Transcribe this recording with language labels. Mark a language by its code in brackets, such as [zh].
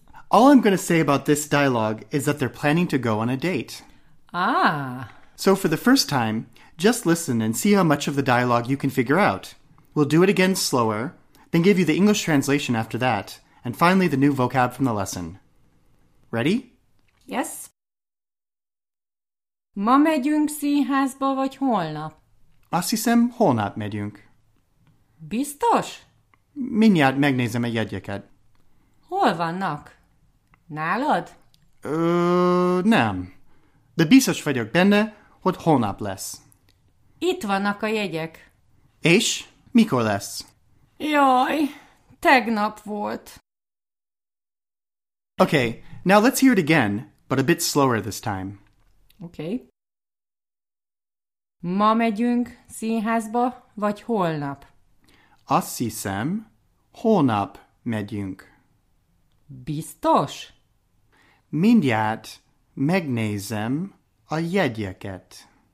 [en] All I'm going to say about this dialogue is that they're planning to go on a date. Ah. So for the first time, just listen and see how much of the dialogue you can figure out. We'll do it again slower, then give you the English translation after that. And finally, the new vocab from the lesson. Ready? Yes. [hu] Ma megyünk színházba, vagy holnap? Azt hiszem, holnap megyünk. Biztos? Mindjárt megnézem a jegyeket. Hol vannak? Nálad? Nem. De biztos vagyok benne, hogy holnap lesz. Itt vannak a jegyek. És mikor lesz? Jaj, tegnap volt. [en] Okay, now let's hear it again, but a bit slower this time. Okay. [hu] Ma megyünk színházba, vagy holnap? Azt hiszem, holnap megyünk. Biztos? Mindjárt megnézem a jegyeket.